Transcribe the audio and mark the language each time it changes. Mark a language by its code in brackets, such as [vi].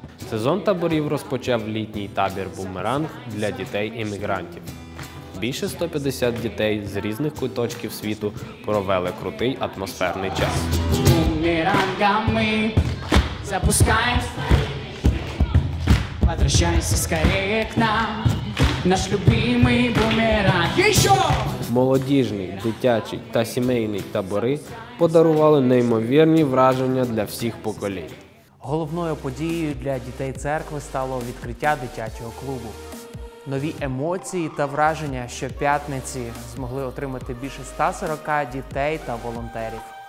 [uk] Сезон таборів розпочав літній табір «Бумеранг» для дітей-емігрантів. Більше 150 дітей з різних куточків світу провели крутий атмосферний час. Бумерангами запускаємо. [ru] Возвращайся скорее к нам, наш любимий бумеранг. Еще! [uk] Молодіжний, дитячий та сімейний табори подарували неймовірні враження для всіх поколінь. Головною подією для дітей церкви стало відкриття дитячого клубу. Нові емоції та враження щоп'ятниці змогли отримати більше 140 дітей та волонтерів.